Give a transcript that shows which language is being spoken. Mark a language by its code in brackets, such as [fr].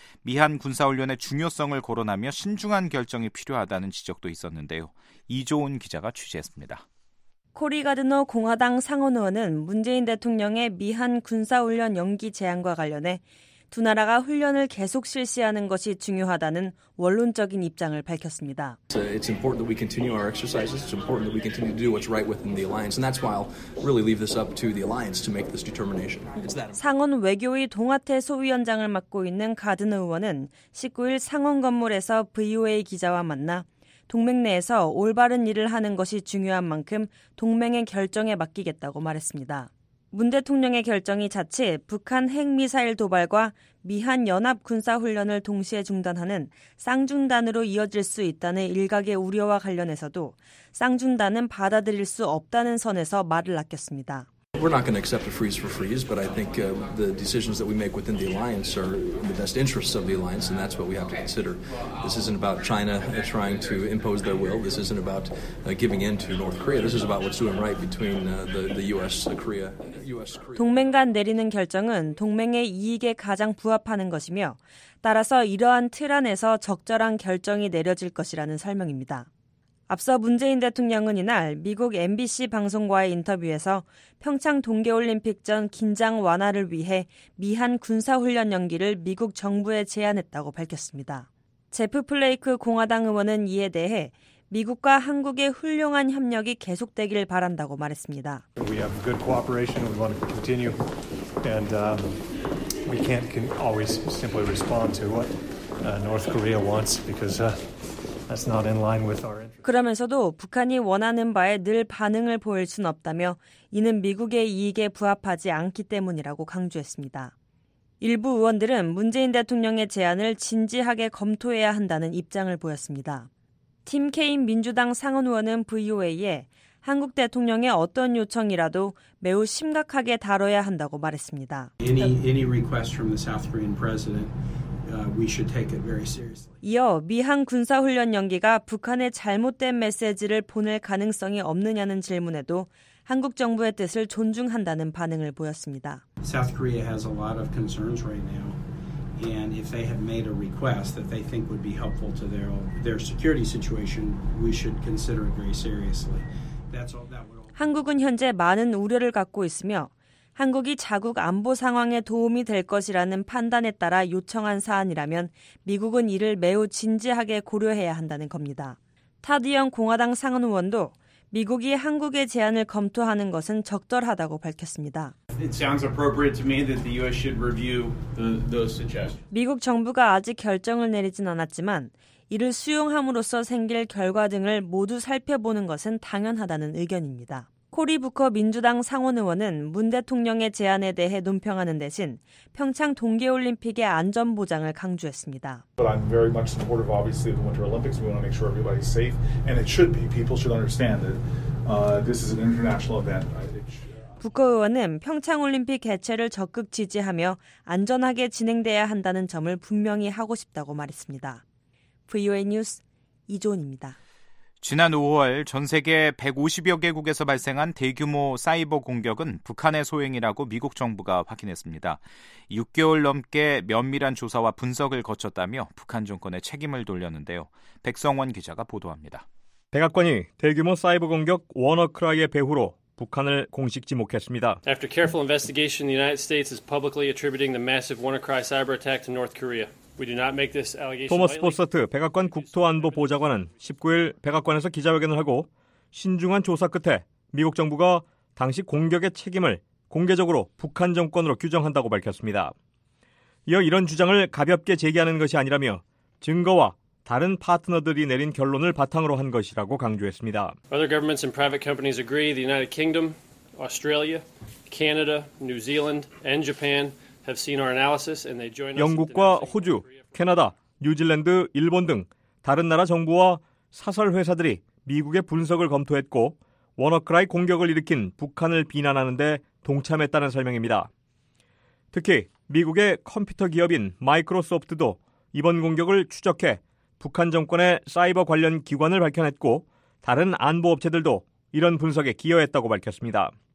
[ko] 미한 군사 훈련의 중요성을 거론하며 신중한 결정이 필요하다는 지적도 있었는데요. 이조은 기자가 취재했습니다. 코리 가드너 공화당 상원 의원은 문재인 대통령의 미한 군사 훈련 연기 제안과 관련해 두 나라가 훈련을 계속 실시하는 것이 중요하다는 원론적인 입장을 밝혔습니다. [en] It's important that we continue our exercises. It's important that we continue to do what's right within the alliance. And that's why I'll really leave this up to the alliance to make this determination. [ko] 상원 외교위 동아태 소위원장을 맡고 있는 가드너 의원은 19일 상원 건물에서 VOA 기자와 만나 동맹 내에서 올바른 일을 하는 것이 중요한 만큼 동맹의 결정에 맡기겠다고 말했습니다. 문 대통령의 결정이 자칫 북한 핵미사일 도발과 미한 연합 군사훈련을 동시에 중단하는 쌍중단으로 이어질 수 있다는 일각의 우려와 관련해서도 쌍중단은 받아들일 수 없다는 선에서 말을 아꼈습니다. [en] We're not going to accept a freeze for freeze, but I think the decisions that we make within the alliance are in the best interests of the alliance, and that's what we have to consider. This isn't about China trying to impose their will. This isn't about giving in to North Korea. This is about what's doing right between the U.S., Korea, U.S., Korea. [ko] 동맹 간 내리는 결정은 동맹의 이익에 가장 부합하는 것이며, 따라서 이러한 틀 안에서 적절한 결정이 내려질 것이라는 설명입니다. 앞서 문재인 대통령은 이날 미국 MBC 방송과의 인터뷰에서 평창 동계올림픽 전 긴장 완화를 위해 미한 군사훈련 연기를 미국 정부에 제안했다고 밝혔습니다. 제프 플레이크 공화당 의원은 이에 대해 미국과 한국의 훌륭한 협력이 계속되길 바란다고 말했습니다. [en] We have good cooperation. We want to continue. And we can't always simply respond to what North Korea wants because that's not in line with our [ko] 그러면서도 북한이 원하는 바에 늘 반응을 보일 순 없다며 이는 미국의 이익에 부합하지 않기 때문이라고 강조했습니다. 일부 의원들은 문재인 대통령의 제안을 진지하게 검토해야 한다는 입장을 보였습니다. 팀 케인 민주당 상원 의원은 VOA에 한국 대통령의 어떤 요청이라도 매우 심각하게 다뤄야 한다고 말했습니다. [en] Any request from the South Korean president. We should take it very seriously. [ko] 이어 미한 군사훈련 연기가 북한에 잘못된 메시지를 보낼 가능성이 없느냐는 질문에도 한국 정부의 뜻을 존중한다는 반응을 보였습니다. [en] South Korea has a lot of concerns right now, and if they have made a request that they think would be helpful to their security situation, we should consider it very seriously. That's all that would. [ko] 한국은 현재 많은 우려를 갖고 있으며. 한국이 자국 안보 상황에 도움이 될 것이라는 판단에 따라 요청한 사안이라면 미국은 이를 매우 진지하게 고려해야 한다는 겁니다. 타드 영 공화당 상원 의원도 미국이 한국의 제안을 검토하는 것은 적절하다고 밝혔습니다. [en] It sounds appropriate to me that the U.S. should review those suggestions. [ko] 미국 정부가 아직 결정을 내리진 않았지만 이를 수용함으로써 생길 결과 등을 모두 살펴보는 것은 당연하다는 의견입니다. 코리 부커 민주당 상원 의원은 문 대통령의 제안에 대해 논평하는 대신 평창 동계올림픽의 안전 보장을 강조했습니다. [en] But I'm very much supportive, obviously, of the Winter Olympics. We want to make sure everybody's safe, and it should be. People should understand that this is an international event. [ko] 부커 의원은 평창 올림픽 개최를 적극 지지하며 안전하게 진행돼야 한다는 점을 분명히 하고 싶다고 말했습니다. VOA 뉴스 이조은입니다. 지난 5월 전 세계 150여 개국에서 발생한 대규모 사이버 공격은 북한의 소행이라고 미국 정부가 확인했습니다. 6개월 넘게 면밀한 조사와 분석을 거쳤다며 북한 정권에 책임을 돌렸는데요. 백성원 기자가 보도합니다. 백악관이 대규모 사이버 공격 워너크라이의 배후로 북한을 공식 지목했습니다. [en] After careful investigation, the United States is publicly attributing the massive WannaCry cyber attack to North Korea. We do not make this allegation. [ko] 토머스 포스터트 백악관 국토안보 보좌관은 19일 백악관에서 기자회견을 하고 신중한 조사 끝에 미국 정부가 당시 공격의 책임을 공개적으로 북한 정권으로 규정한다고 밝혔습니다. 이어 이런 주장을 가볍게 제기하는 것이 아니라며 증거와 다른 파트너들이 내린 결론을 바탕으로 한 것이라고 강조했습니다. [en] Other governments and private companies agree the United Kingdom, Australia, Canada, New Zealand, and Japan have seen our analysis and they join us. [ko] 영국과 호주, 캐나다, 뉴질랜드, 일본 등 다른 나라 정부와 사설 회사들이 미국의 분석을 검토했고 워너크라이 공격을 일으킨 북한을 비난하는 데 동참했다는 설명입니다. 특히 미국의 컴퓨터 기업인 마이크로소프트도 이번 공격을 추적해 북한 정권의 사이버 관련 기관을 밝혀냈고 다른 안보 업체들도 이런 분석에 기여했다고 밝혔습니다.